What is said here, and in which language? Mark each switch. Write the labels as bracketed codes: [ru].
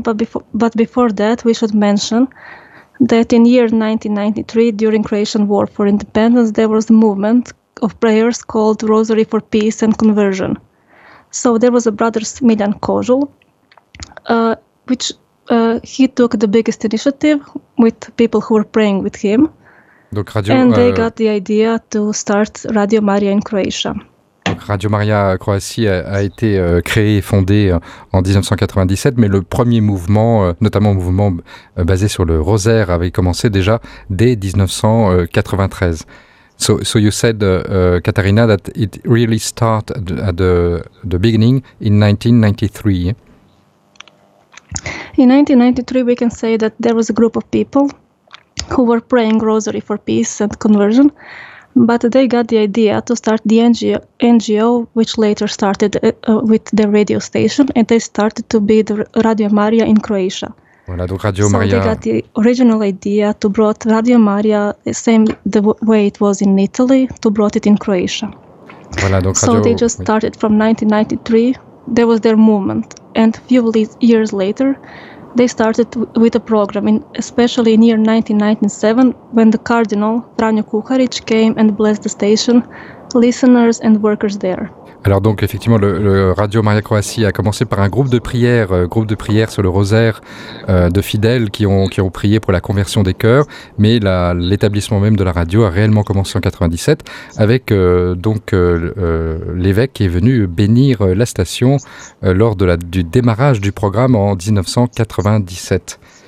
[en] But before that, we should mention that in year 1993, during Croatian War for Independence, there was a movement of prayers called Rosary for Peace and Conversion. So there was a brother, Smiljan Kožul, which he took the biggest initiative with people who were praying with him, [fr] Donc Radio [en] and they got the idea to start Radio Maria in Croatia. [fr] Maria Croatie a été créée et fondée en 1997, mais le premier mouvement, notamment un mouvement basé sur le rosaire, avait commencé déjà dès 1993. [en] So you said, Katharina, that it really started at the beginning in 1993. In 1993, we can say that there was a group of people who were praying Rosary for Peace and Conversion, but they got the idea to start the NGO, which later started with the radio station, and they started to be the Radio Maria in Croatia. [fr] Voilà, donc Radio [en] So they [fr] Maria. [en] got the original idea to brought Radio Maria the same the way it was in Italy, to brought it in Croatia. [fr] Voilà, donc [en] So they [fr] Radio. [en] just started from 1993. There was their movement, and a few years later, they started with a program, especially in year 1997, when the Cardinal Franjo Kuharić came and blessed the station, listeners and workers there. [fr] Alors donc effectivement le Radio Maria Croatie a commencé par un groupe de prières sur le rosaire de fidèles qui ont prié pour la conversion des cœurs, mais l'établissement même de la radio a réellement commencé en 97 avec l'évêque qui est venu bénir la station lors de du démarrage du programme en 1997.